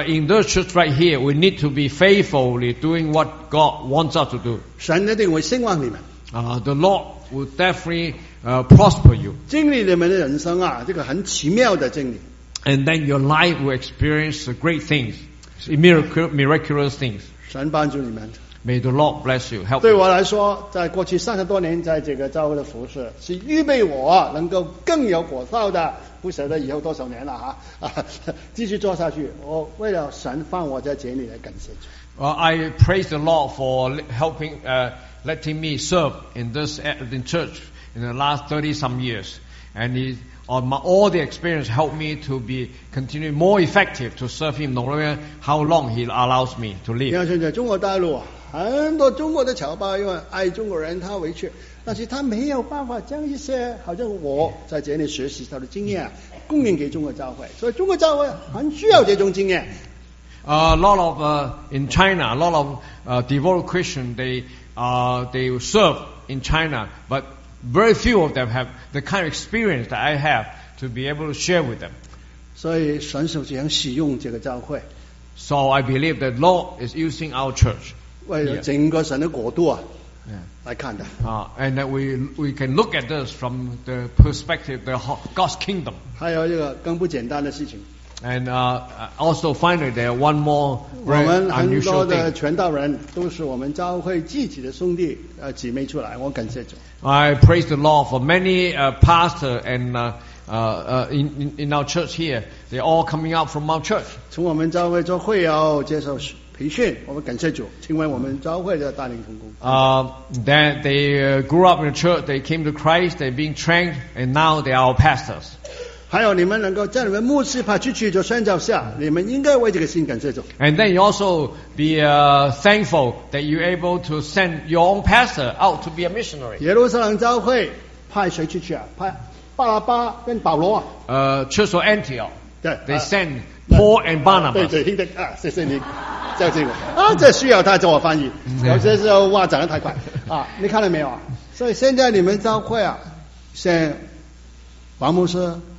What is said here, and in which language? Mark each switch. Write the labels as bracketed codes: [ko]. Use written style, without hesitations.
[en] in this church right here, we need to be faithfully doing what God wants us to do. [zh] 神一定会兴旺你们。The [en] Lord will definitely prosper you. [zh] 经历你们的人生啊，这个很奇妙的经历。And [en] then your life will experience great things, miraculous things. [zh] 神帮助你们。 [en] May the Lord bless you. Help. [zh] 对我来说，在过去三十多年，在这个教会的服事，是预备我能够更有果效的。不晓得以后多少年了哈，继续做下去。我为了神放我在监里来感谢主。 [en] Well, I praise the Lord for helping, letting me serve in this in church in the last 30 some years, and he. All the experience helped me to be continue more effective to serve him, no matter how long he allows me to live. [zh] 现在中国大陆很多中国的侨胞因为爱中国人他回去，但是他没有办法将一些好像我在这里学习到的经验供应给中国教会，所以中国教会很需要这种经验。 [en] A lot of in China, a lot of devoted Christians they serve in China, but. Very few of them have the kind of experience that I have to be able to share with them. So I believe that Lord is using our church. Yeah. And that we can look at this from the perspective of God's kingdom. And also finally, there are one more very unusual thing. I praise the Lord for many pastors and in our church here. They're all coming out from our church. [zh] 从我们教会做会友接受培训，我们感谢主，成为我们教会的大灵同工。 [en] Then they grew up in the church. They came to Christ. They're being trained, and now they are our pastors. [zh] 还有你们能够在你们牧师派出去做宣教下，你们应该为这个心感谢主。 [en] And then you also be thankful that you're able to send your own pastor out to be a missionary. [zh] 耶路撒冷教会派谁出去啊？派巴拉巴跟保罗。 [en] Church of Antioch. [zh] 对 [en] ，They send Paul and Barnabas. [zh] 对对，听得啊，谢谢你，叫这个啊，这需要他做我翻译。有些时候话讲得太快啊，你看到没有啊？所以现在你们教会啊，像王牧师。